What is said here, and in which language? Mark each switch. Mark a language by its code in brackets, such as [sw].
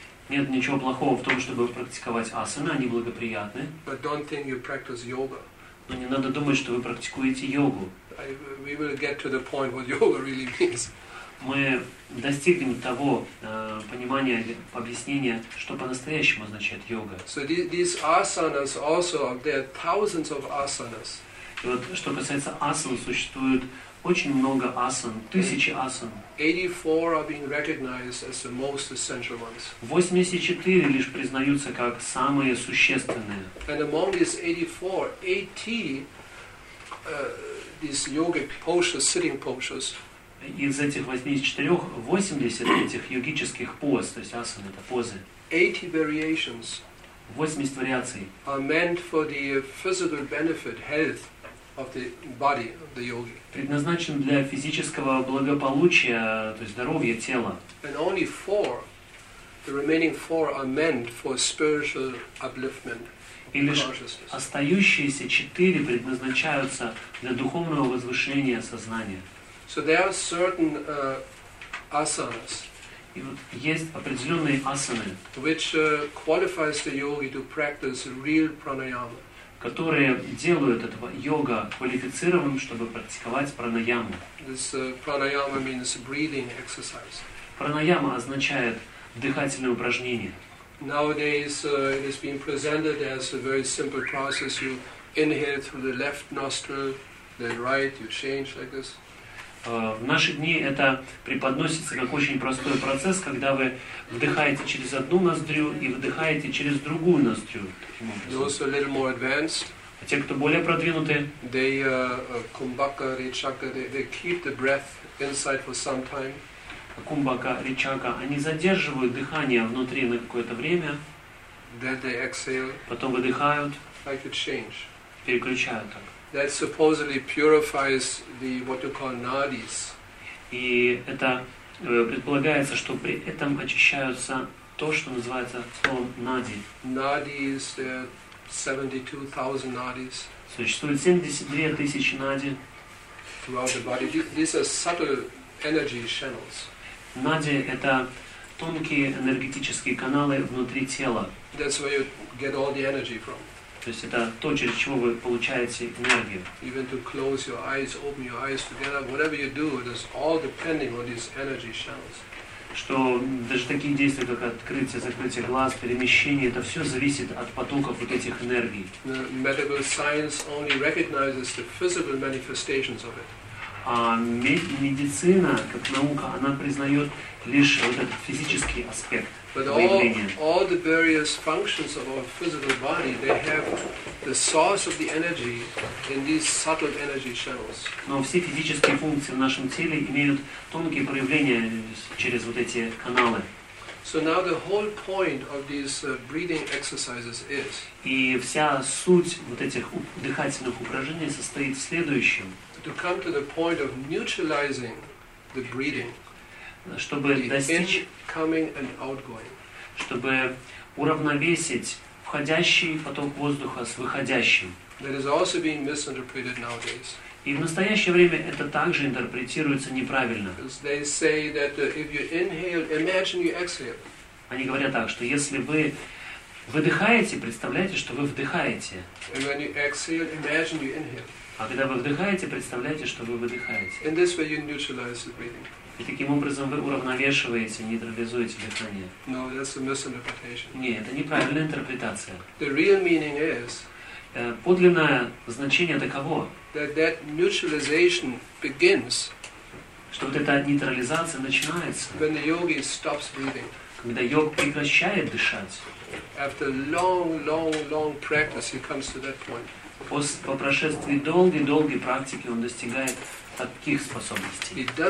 [ru] Нет ничего плохого в том, чтобы практиковать асаны, они благоприятны. [en] But don't think you practice yoga. [ru] Но не надо думать, что вы практикуете йогу. [en] We will get to the point what yoga really means. [ru] Мы достигнем того понимания, объяснения, что по-настоящему означает йога. [en] So these asanas also, there are thousands of asanas. [ru] И вот, что касается асан, существует очень много асан, тысячи асан. [en] 84 are being recognized as the most essential ones. [ru] 84 лишь признаются как самые существенные. [en] And among these 84, 80 these yogic postures, sitting postures. [ru] Из этих 84, 80 этих йогических поз, то есть асан, это позы. [en] 80 variations. [ru] 80 вариаций. [en] Are meant for the physical benefit, health. Of the body of the yogi. [ru] Предназначен для физического благополучия, то есть здоровья тела. [en] And only four, the remaining four are meant for spiritual upliftment. [ru] И лишь остающиеся четыре предназначаются для духовного возвышения сознания. [en] So there are certain asanas. [ru] И вот есть определенные асаны, [en] which qualifies the yogi to practice real pranayama. [ru] Которые делают этого йога квалифицированным, чтобы практиковать пранаяму. [en] This pranayama means breathing exercise. [ru] Пранаяма означает дыхательное упражнение. [en] Nowadays it is being presented as a very simple process. You inhale through the left nostril, then right, you change like this. [ru] В наши дни это преподносится как очень простой процесс, когда вы вдыхаете через одну ноздрю и выдыхаете через другую ноздрю. [en] Also a little more advanced. [ru] А те, кто более продвинуты, [en] they kumbhaka richaka, they keep the breath inside for some time. [ru] Кумбака ричака, они задерживают дыхание внутри на какое-то время. [en] Then they exhale. [ru] Потом выдыхают. [en] Like a change. [ru] Переключают так. [en] That supposedly purifies the what you call nadis. [ru] И это предполагается, что при этом очищаются то, что называется словом нади. [en] Nadis, there are 72,000 nadis. [ru] Существует 72,000 нади. [en] Throughout the body, these are subtle energy channels. [ru] Нади это тонкие энергетические каналы внутри тела. [en] That's where you get all the energy from. [ru] То есть это то, через чего вы получаете энергию. [en] Even to close your eyes, open your eyes together, whatever you do, it is all depending on these energy channels. [ru] Что даже такие действия, как открытие, закрытие глаз, перемещение, это все зависит от потоков вот этих энергий. [en] The medical science only recognizes the physical manifestations of it. [ru] А медицина, как наука, она признает лишь вот этот физический аспект. [en] But all the various functions of our physical body, they have the source of the energy in these subtle energy channels. [ru] Но все физические функции в нашем теле имеют тонкие проявления через вот эти каналы. [en] So now the whole point of these breathing exercises is. [ru] И вся суть вот этих дыхательных упражнений состоит в следующем. [en] To come to the point of neutralizing the breathing. [ru] Чтобы достичь, чтобы уравновесить входящий поток воздуха с выходящим. [en] That is also being misinterpreted nowadays. [ru] И в настоящее время это также интерпретируется неправильно. [en] They say that if you inhale, imagine you exhale. [ru] Они говорят так, что если вы выдыхаете, представляете, что вы вдыхаете. [en] And when you exhale, imagine you inhale. [ru] А когда вы вдыхаете, представляете, что вы выдыхаете. [en] In this way you neutralize the breathing. [ru] И таким образом вы уравновешиваете, нейтрализуете дыхание. [en] No, that's a misinterpretation. [ru] Нет, это неправильная интерпретация. [en] The real meaning is, [ru] подлинное значение таково, [en] that neutralization begins, [ru] что вот эта нейтрализация начинается, [en] when the yogi stops breathing. [ru] Когда йог прекращает дышать. [en] After long practice, he comes to that point. [ru] По прошествии долгой практики он достигает таких способностей.